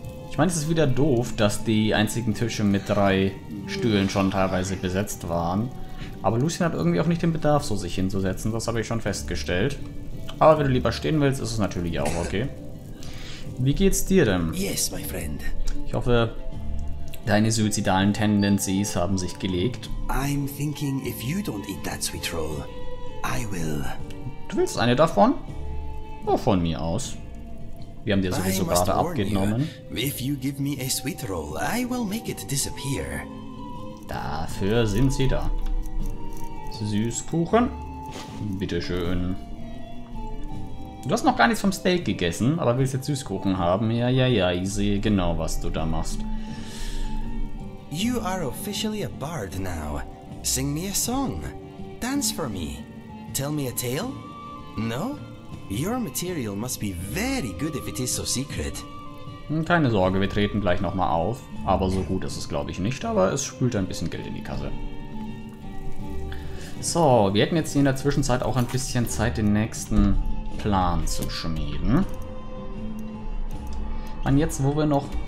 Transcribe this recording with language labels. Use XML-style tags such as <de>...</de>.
<de>Ich meine, es ist wieder doof, dass die einzigen Tische mit 3 Stühlen schon teilweise besetzt waren. Aber Lucien hat irgendwie auch nicht den Bedarf, so sich hinzusetzen, das habe ich schon festgestellt. Aber wenn du lieber stehen willst, ist es natürlich auch okay. Wie geht's dir denn?</de> <en>Yes, my friend.</en> <de>Ich hoffe, deine suizidalen</de> <en>Tendencies</en> <de>haben sich gelegt.</de> <en>I'm thinking, if you don't eat that sweet roll... I will.</en> <de>Du willst eine davon? Oh, von mir aus. Wir haben dir sowieso gerade abgenommen.</de> <en>If you give me a sweet roll, I will make it disappear.</en> <de>Dafür sind sie da. Süßkuchen. Bitteschön. Du hast noch gar nichts vom Steak gegessen, aber willst jetzt Süßkuchen haben? Ja, ich sehe genau, was du da machst.</de> <en>You are officially a bard now. Sing me a song. Dance for me. Tell me a tale? No? Your material must be very good if it is so secret.</en> <de>Keine Sorge, wir treten gleich nochmal auf. Aber so gut ist es, glaube ich, nicht. Aber es spült ein bisschen Geld in die Kasse. So, wir hätten jetzt hier in der Zwischenzeit auch ein bisschen Zeit, den nächsten Plan zu schmieden. Und jetzt, wo wir noch</de>